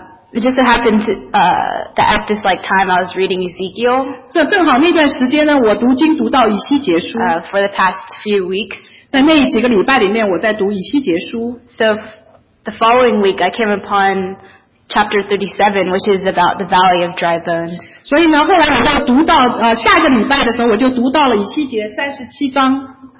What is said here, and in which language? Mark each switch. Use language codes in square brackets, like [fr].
[en] It just happened that at this like time I was reading Ezekiel. [zh] 这正好那段时间呢，我读经读到以西结书。 [en] For the past few weeks. [zh] 在那几个礼拜里面，我在读以西结书。 [en] So the following week, I came upon chapter 37, which is about the Valley of Dry Bones. [zh] 所以呢，后来我就读到下个礼拜的时候，我就读到了以西结37章。